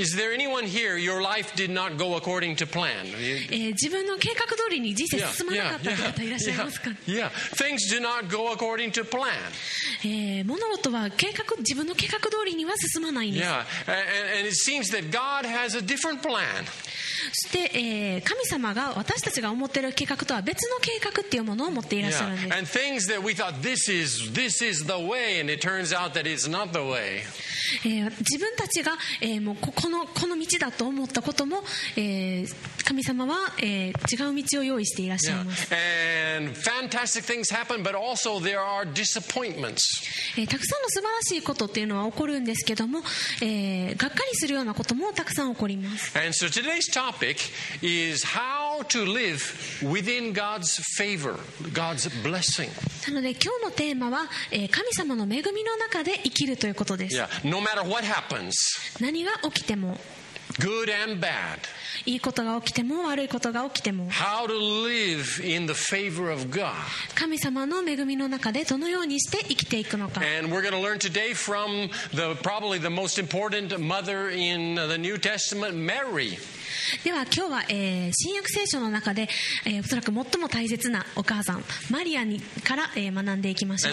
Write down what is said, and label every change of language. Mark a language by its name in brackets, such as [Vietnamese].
[English] Is there anyone here your life did not go according to plan? [Japanese] 自分の計画通りに人生進まなかった方いらっしゃいますか? [English] Yeah, things do not go according to plan. [Japanese] 物事は計画、自分の計画通りには進まないんです。 [English] Yeah, and it seems that God has a different plan. [Japanese] そして、神様が私たちが思っている計画とは別の計画っていうものを持っていらっしゃるんです。 [English] Yeah. And things that we thought this is the way and it turns out that it's not the way. [Japanese] 自分たちが、もうこの道だと思ったことも、神様は、違う道を用意していらっしゃいます。 [English] Yeah. And fantastic things happen but also there are disappointments. [Japanese] たくさんの素晴らしいことっていうのは起こるんですけども、がっかりするようなこともたくさん起こります。 [English] And so today'sTopic is how to live within God's favor, God's blessing. [Japanese] なので今日のテーマは神様の恵みの中で生きるということです。 [English] Yeah, no matter what happens, [Japanese] 何が起きても、 [English] good and bad, [Japanese] いいことが起きても悪いことが起きても、 [English] how to live in the favor of God, [Japanese] 神様の恵みの中でどのようにして生きていくのか。 [English] And we're going to learn today from the probably the most important mother in the New Testament, Mary. [Japanese] では今日は、新約聖書の中で、おそらく最も大切なお母さんマリアにから、学んでいきましょう。